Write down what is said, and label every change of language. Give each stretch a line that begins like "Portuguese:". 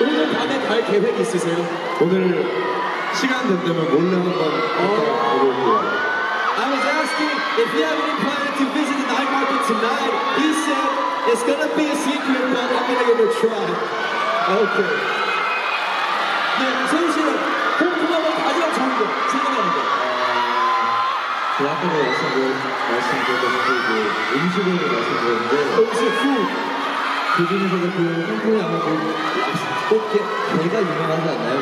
Korean: 오늘 밤에 갈 계획 있으세요? 오늘 시간 된다면 몰래 한번 가보려고요.
English: I was asking if you have any plan to visit the night market tonight. He said it's gonna be a secret, but I'm gonna give it a try. Okay.
Korean: 네, 세훈 씨는 홍콩 한번 가지러 가는 거 생각하는 거. 그 앞으로 말씀드렸고 음식을 말씀드렸는데 음식
English: food.
Korean: 그 중에서도 그 홍콩이 아마 그 꽃게, 게가 유명하지 않나요?